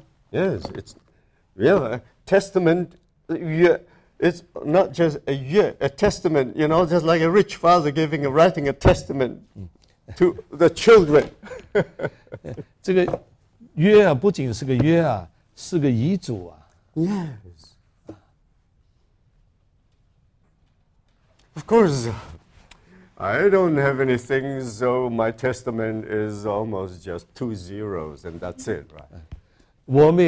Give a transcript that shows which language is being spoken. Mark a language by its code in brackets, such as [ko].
[en] Yes, it's yeah, testament it's not just a year, a testament, you know, just like a rich father giving writing a testament to the children. [zh] 这个约啊,不仅是个约啊,是个遗嘱啊 [en] Yes. Of course, I don't have anything, so my testament is almost just two zeros, and that's it, right?